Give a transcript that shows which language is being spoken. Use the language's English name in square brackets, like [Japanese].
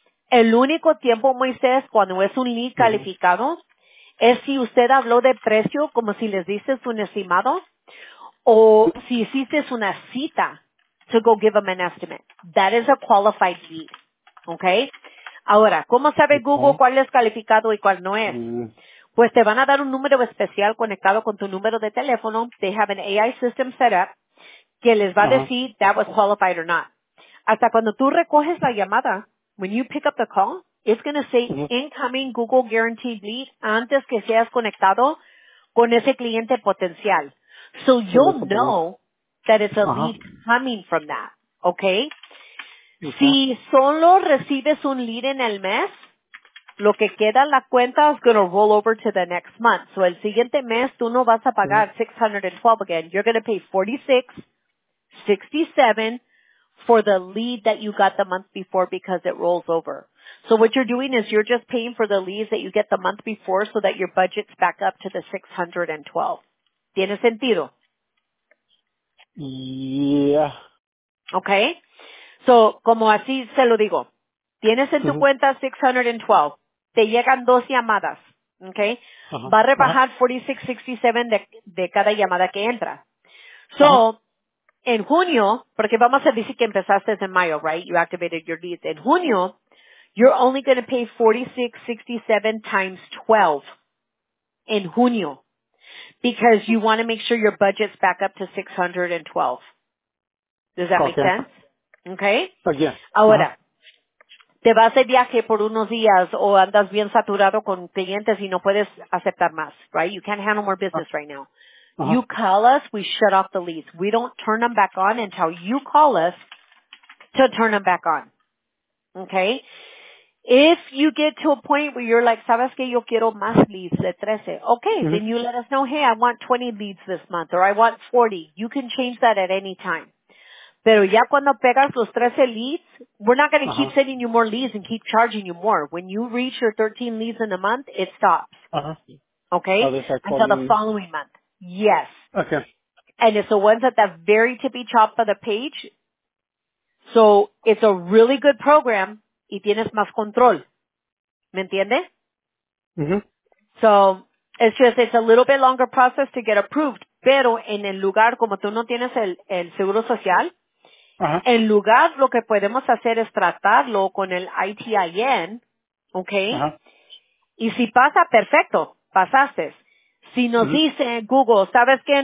[Spanish] El único tiempo, Moisés, cuando es un lead calificado, es si usted habló de precio como si les dices un estimado, o si hiciste una cita [English] to go give them an estimate. That is a qualified lead. Okay? [Spanish] Ahora, ¿cómo sabe Google cuál es calificado y cuál no es? Pues te van a dar un número especial conectado con tu número de teléfono. [English] They have an AI system set up [Spanish] que les va a decir [English] that was qualified or not. [Spanish] Hasta cuando tú recoges la llamada, [English] when you pick up the call, it's going to say incoming Google guaranteed lead [Spanish] antes que seas conectado con ese cliente potencial. [English] So you'll know that it's a lead coming from that, okay? [Spanish] Si solo recibes un lead en el mes, lo que queda en la cuenta [English] is going to roll over to the next month. [Spanish] So el siguiente mes, tú no vas a pagar $612 again. [English] You're going to pay $46.67 for the lead that you got the month before because it rolls over. So what you're doing is you're just paying for the leads that you get the month before so that your budget's back up to the $612. [Spanish] ¿Tiene sentido? [English] Yeah. Okay. [Spanish] So, como así se lo digo, tienes en tu cuenta $612. te llegan dos llamadas, ¿ok? Uh-huh. Va a rebajar 46-67 de cada llamada que entra. So, uh-huh. en junio, porque vamos a decir que empezaste en mayo, right? [English] You activated your lead. [Spanish] En junio, [English] you're only going to pay 46-67 times 12 [Spanish] en junio. [English] Because you want to make sure your budget's back up to 612. Does that make sense? Okay. Again. [Spanish] Ahora, te vas de viaje por unos días o andas bien saturado con clientes y no puedes aceptar más, right? [English] You can't handle more business right now. Uh-huh. You call us, we shut off the leads. We don't turn them back on until you call us to turn them back on. Okay. If you get to a point where you're like, [Spanish] sabes que yo quiero más leads de 13, [English] okay, mm-hmm. then you let us know, hey, I want 20 leads this month, or I want 40. You can change that at any time. [Spanish] Pero ya cuando pegas los 13 leads, [English] we're not going to uh-huh. keep sending you more leads and keep charging you more. When you reach your 13 leads in a month, it stops. Uh-huh. Okay? Oh, until the following month. Yes. Okay. And it's the ones at the very tippy top of the page. So it's a really good program. [Spanish] Y tienes más control. ¿Me entiende? Mm-hmm. [English] So, it's just, it's a little bit longer process to get approved. [Spanish] Pero en el lugar, como tú no tienes el seguro social, uh-huh. en lugar, lo que podemos hacer es tratarlo con el ITIN, ¿ok? Uh-huh. Y si pasa, perfecto, pasaste. Si nos mm-hmm. dice Google, ¿sabes qué?